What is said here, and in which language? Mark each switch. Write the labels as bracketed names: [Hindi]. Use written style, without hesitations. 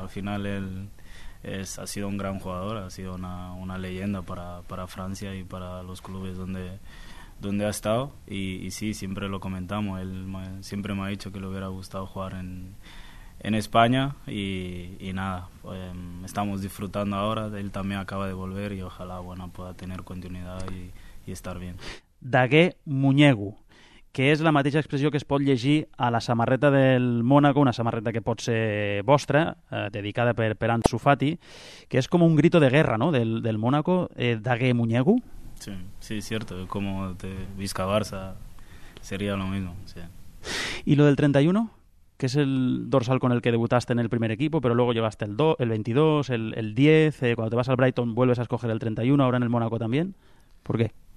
[Spanish] Al final él ha sido un gran jugador, ha sido una leyenda para Francia y para los clubes donde ha estado. Y sí, siempre lo comentamos, siempre me ha dicho que le hubiera gustado jugar en España y nada, estamos disfrutando ahora, él también acaba de volver y ojalá, bueno, pueda tener continuidad y estar bien. [Catalan] Dagué Muñegu, que es la mateixa expressió que es pot llegir a la samarreta del Mónaco, una samarreta que pot ser vostra, dedicada per Ansu Fati, que és com un [Spanish] grito de guerra, [Catalan] no?, del Mónaco, Dagué Muñegu. [Spanish] Sí, es cierto, como te Visca Barça sería lo mismo, sí. ¿Y lo del 31? Que es el dorsal con el que debutaste en el primer equipo, pero luego llevaste el 22, el 10, cuando te vas al Brighton vuelves a escoger el 31, ahora en el Mónaco también. ¿Por qué?